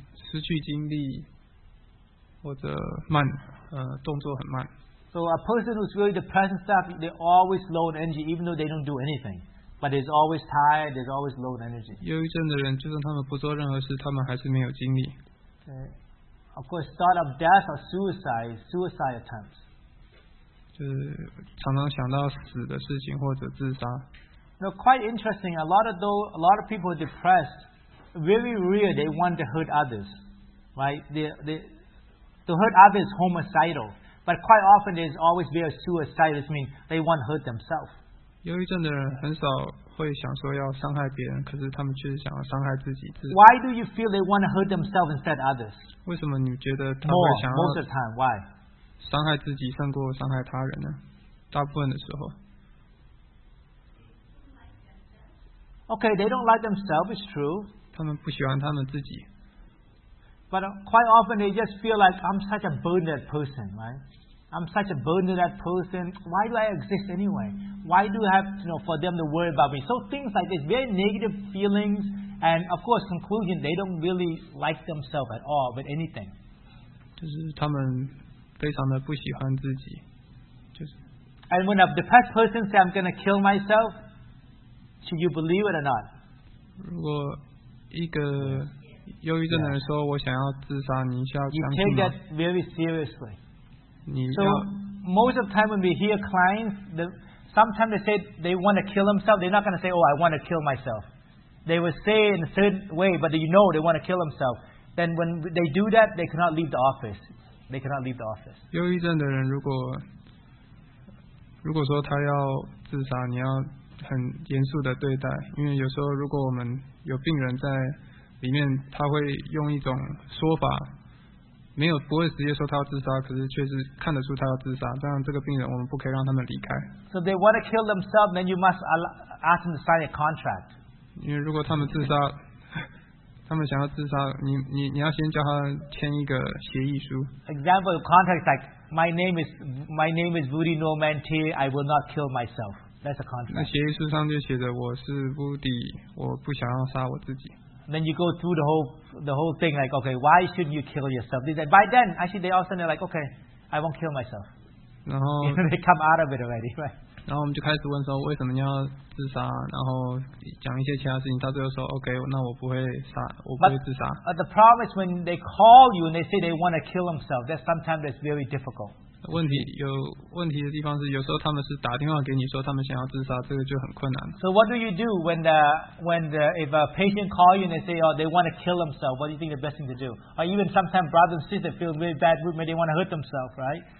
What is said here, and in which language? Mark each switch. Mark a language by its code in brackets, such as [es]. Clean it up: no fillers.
[zh] 失去精力或者慢，动作很慢。 [en] So a person who's really depressed and stuff, they're always low in energy, even though they don't do anything. But they're always tired, they're always low in energy. [zh] 忧郁症的人，就算他们不做任何事，他们还是没有精力。 [en] Okay. Of course, thought of death or suicide attempts. [zh] 就是常常想到死的事情或者自杀。 [en] Now, quite interesting. A lot of people are depressed. Very rare they want to hurt others, right? To hurt others is homicidal. But quite often, there's always be a suicide. This means they want to hurt themselves. [zh] 忧郁症的人很少会想说要伤害别人，可是他们却想要伤害自己。 [en] Why do you feel they want to hurt themselves instead of others? [zh] 为什么你觉得他们想要 [en] most of the time why [zh] 伤害自己胜过伤害他人呢？大部分的时候。 [en] Okay, they don't like themselves. It's true. [zh] 他们不喜欢他们自己。 [en] But quite often they just feel like I'm such a burden to that person, right? I'm such a burden to that person. Why do I exist anyway? Why do I have, you know, for them to worry about me? So things like this, very negative feelings, and of course, conclusion, they don't really like themselves at all with anything. [zh] 就是他们非常的不喜欢自己，就是。 [en] And when a depressed person says, "I'm going to kill myself," should you believe it or not? [zh] 如果一个忧郁症的人说：“我想要自杀，你需要相信吗？” [en] You take that very seriously. So most of the time when we hear clients, sometimes they say they want to kill themselves. They're not going to say, "Oh, I want to kill myself." They will say it in a certain way, but you know they want to kill themselves. Then when they do that, they cannot leave the office. They cannot leave the office. [zh] 忧郁症的人如果说他要自杀，你要很严肃的对待，因为有时候如果我们有病人在。里面他会用一种说法，没有不会直接说他要自杀，可是却是看得出他要自杀。这样这个病人我们不可以让他们离开。 [en] So they want to kill themselves, then you must ask them to sign a contract. [zh] 因为如果他们自杀，他们想要自杀，你要先叫他签一个协议书。 [en] Example of contract is like my name is Woody Normanti. I will not kill myself. That's a contract. [zh] 那协议书上就写着我是 Woody, 我不想要杀我自己。 [en] Then you go through the whole thing like, okay, why should you kill yourself? They say, by then, actually, they all of a sudden they're like, okay, I won't kill myself. They come out of it already, right? [zh] 然后我们就开始问说为什么你要自杀，然后讲一些其他事情，他最后说 okay, 那我不会杀，我不会自杀。 [en] But the problem is when they call you and they say they want to kill themselves, that sometimes that's very difficult. [zh] 问题的地方是，有时候他们是打电话给你说他们想要自杀，这个就很困难。 [en] So what do you do when if a patient call you and they say, oh, they want to kill themselves? What do you think the best thing to do? Or even sometimes brothers and sisters feel really bad, maybe they want to hurt themselves, right?